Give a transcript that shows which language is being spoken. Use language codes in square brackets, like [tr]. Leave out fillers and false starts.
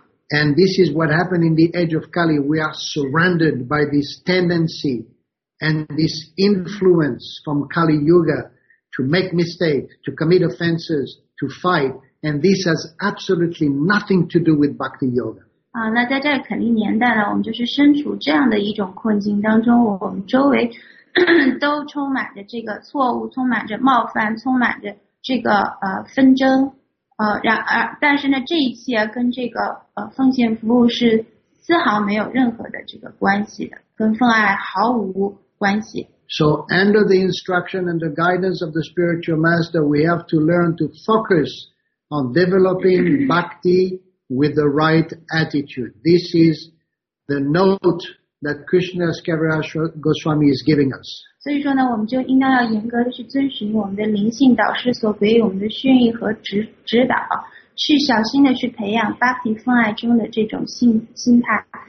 [en] And this is what happened in the age of Kali. We are surrounded by this tendency and this influence from Kali Yuga to make mistakes, to commit offenses, to fight. And this has absolutely nothing to do with Bhakti Yoga. [zh] 那在这肯定年代呢，我们就是身处这样的一种困境当中，我们周围都充满着这个错误，充满着冒犯，充满着这个纷争。但是呢，这一切跟这个奉献服务是丝毫没有任何的这个关系的，跟奉爱毫无关系。 [en] So under the instruction and the guidance of the spiritual master, we have to learn to focus on developing bhakti with the right attitude. This is the note that Krishnadas Kaviraj Goswami is giving us. [zh] 所以说呢，我们就应当要严格的去遵循我们的灵性导师所给予我们的训诲和指导，去小心的去培养巴提奉爱中的这种心态。